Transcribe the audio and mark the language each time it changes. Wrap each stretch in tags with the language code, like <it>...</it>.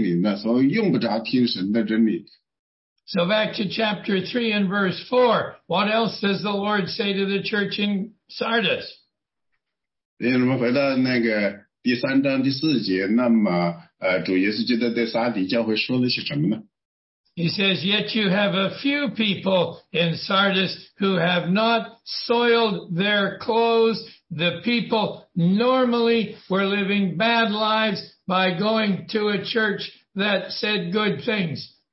<zh>因为他的一个朋友呢，实际上是向类似的一个教会里的一个讲道人。实际上，那个讲道人当时呢，他向主耶稣基督哭泣了，因为他哭泣，他说：“主啊，因为我有时首领有真理，我想教给我的会众。但是我的会众呢，他们却不听，他们认为呢，就是说呢，啊，我反正我来到的一个很好的教会，这个教会的教义也很好，什么也好，我们也不用悔改，我们的罪，我们也不用去怎么样，就因为我已经在一个很好的教会里呢，所以用不着听神的真理。”</zh> <en>So back to chapter 3 and verse 4. What else does the Lord say to the church in Sardis?</en> <zh>所以我们回到那个第三章第四节，那么主耶稣基督在撒底教会说了些什么呢？</zh> <en>He says, yet you have a few people in Sardis who have not soiled their clothes. The people normally were living bad lives by going to a church that said good things.</en>